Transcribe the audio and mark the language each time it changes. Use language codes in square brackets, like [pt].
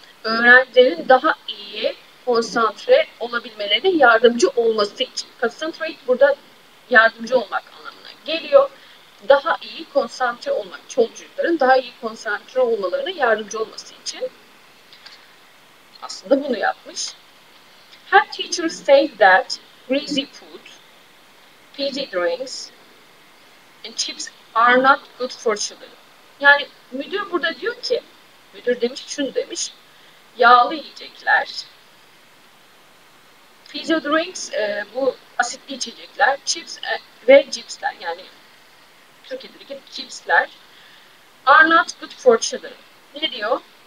[tr] Öğrencilerin daha iyi konsantre olabilmelerine yardımcı olması için. Concentrate burada yardımcı olmak anlamına geliyor. Daha iyi konsantre olmak, çocukların daha iyi konsantre olmalarına yardımcı olması için. Aslında bunu yapmış. [en] Her teacher said that greasy food, fizzy drinks and chips are not good for children. [tr] Yani müdür burada diyor ki, müdür demiş, şunu demiş. Yağlı yiyecekler, fizzy drinks, bu asitli içecekler, chips ve cipsler, yani Türkiye'deki cipsler, [en] are not good for children. [tr] Ne diyor?